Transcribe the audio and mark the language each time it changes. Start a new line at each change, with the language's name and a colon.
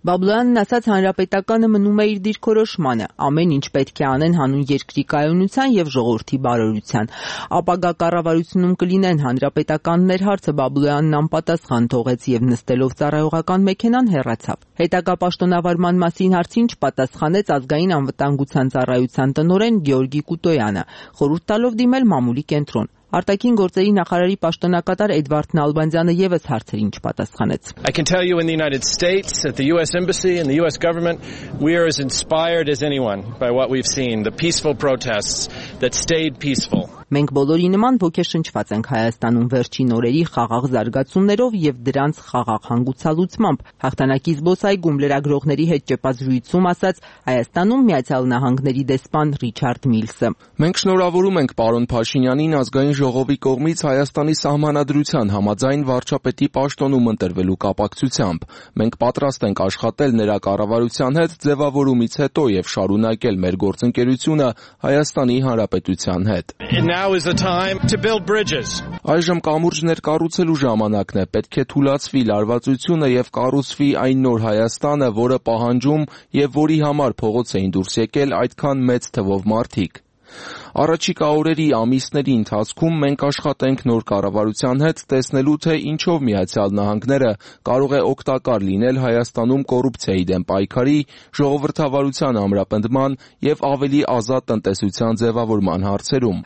Armenian: Բաբլոյանն ասաց, հանրապետականը մնում է իր դիրքորոշմանը, ամեն ինչ պետք է անեն հանուն երկրի կայունության եւ ժողովրդի բարօրության։ Ապագա կառավարությունում կլինեն հանրապետականներ հարցը Բաբլոյանն անպատասխան թողեց եւ նստելով ծառայողական մեքենան հեռացավ։ Հետագա պաշտոնավարման մասին հարցին չպատասխանեց ազգային անվտանգության ծառայության տնօրեն Գեորգի Կուտոյանը, խորհուրդ տալով դիմել մամուլի կենտրոն։ Արտաքին գործերի նախարարի պաշտոնակատար Էդվարդ Նալբանդյանը եւս հարցերին չպատասխանեց։
English: I can tell you in the United States at the US embassy and the US government we are as inspired as anyone by what we've seen, the peaceful protests that stayed peaceful.
Armenian: Մենք բոլորի նման ոգեշնչված ենք Հայաստանում վերջին օրերի խաղաղ զարգացումներով եւ դրանց խաղաղ հանգուցալուծմամբ։ Հաղթանակի զբոսայգում լրագրողների հետ ճեպազրույցում ասաց Հայաստանում Միացյալ Նահանգների դեսպան Ռիչարդ Միլսը։ Մենք շնորհավորում ենք պարոն Փաշինյանին ազգային ժողովի կողմից Հայաստանի սահմանադրության համաձայն վարչապետի պաշտոնում ընտրվելու կապակցությամբ։ Մենք պատրաստ ենք աշխատել նրա կառավարության հետ ձևավորումից հետո եւ շարունակել մեր գործընկերությունը Հայաստանի Հանրապետության հետ։
English: Now is the time to build bridges.
Armenian: Այժմ կամուրջներ կառուցելու ժամանակն է, պետք է թույլատվի լարվածությունը եւ կառուցվի այն նոր Հայաստանը, որը պահանջում եւ որի համար փողոց էին դուրս եկել այդքան մեծ թվով մարդիկ։ Առաջիկա օրերի ամիսների ընթացքում մենք աշխատենք նոր կառավարության հետ տեսնելու, թե ինչով Միացյալ Նահանգները կարող է օգտակար լինել Հայաստանում կոռուպցիայի դեմ պայքարի, ժողովրդավարության ամրապնդման եւ ավելի ազատ տնտեսության ձևավորման հարցերում։